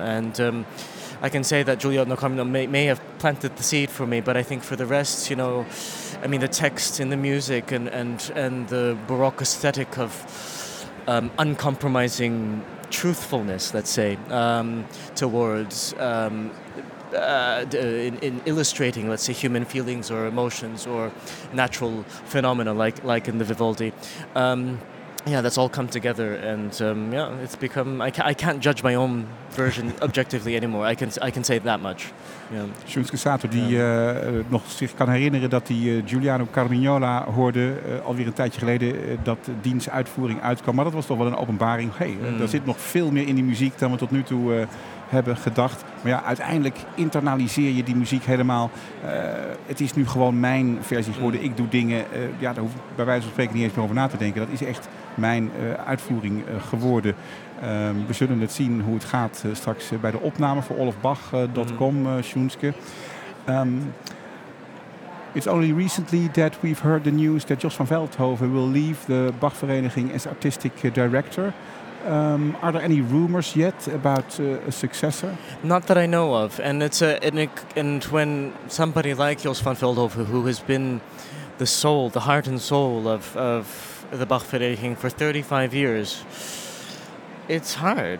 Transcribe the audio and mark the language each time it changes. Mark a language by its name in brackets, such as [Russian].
[English] And I can say that Giuliano Carmignola may have planted the seed for me, but I think for the rest, you know, I mean, the text and the music and the Baroque aesthetic of uncompromising truthfulness, let's say, towards in illustrating, let's say, human feelings or emotions or natural phenomena, like in the Vivaldi. yeah, that's all come together, and yeah, it's become. I can't judge my own version objectively anymore. I can say that much. [Dutch] Schoenske Sato, die nog zich kan herinneren dat hij Giuliano Carmignola hoorde alweer een tijdje geleden dat diens uitvoering uitkwam. Maar dat was toch wel een openbaring. Er zit nog veel meer in die muziek dan we tot nu toe hebben gedacht. Maar ja, uiteindelijk internaliseer je die muziek helemaal. Het is nu gewoon mijn versie geworden. Ik doe dingen. Ja, daar hoef ik bij wijze van spreken niet eens meer over na te denken. Dat is echt mijn uitvoering geworden. We zullen het zien hoe het gaat straks bij de opname voor olofbach.com, Schoenske. [English] It's only recently that we've heard the news that Jos van Veldhoven will leave the Bach Vereniging as artistic director. Are there any rumors yet about a successor? Not that I know of. And it's and when somebody like Jos van Veldhoven, who has been the soul, the heart and soul of the Bach Vereniging for 35 years, it's hard.